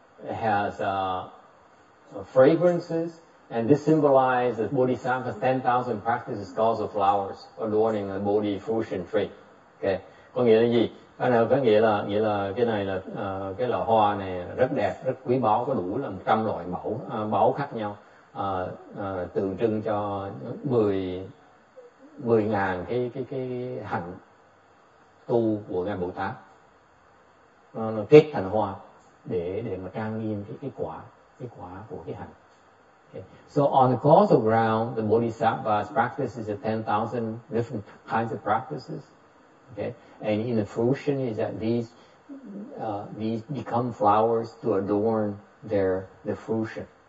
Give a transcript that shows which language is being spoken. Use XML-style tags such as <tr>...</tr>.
<en>It has fragrances, and this symbolizes the bodhisattva's 10,000 practices called the flowers adorning the bodhi fruition tree.</en> <vi>Okay, có nghĩa là gì? Có nghĩa là cái này là cái là hoa này rất đẹp, rất quý báu, có đủ là 100 loại mẫu báu khác nhau, tượng trưng cho 10,000 cái hạnh tu của ngài Bồ Tát, nó kết thành hoa để mà trang nghiêm cái quả của cái hạnh.</vi> <en>So on the course of ground, the bodhisattva's practice is 10,000 different kinds of practices. Okay, and in the fruition is that these become flowers to adorn the fruition.</en>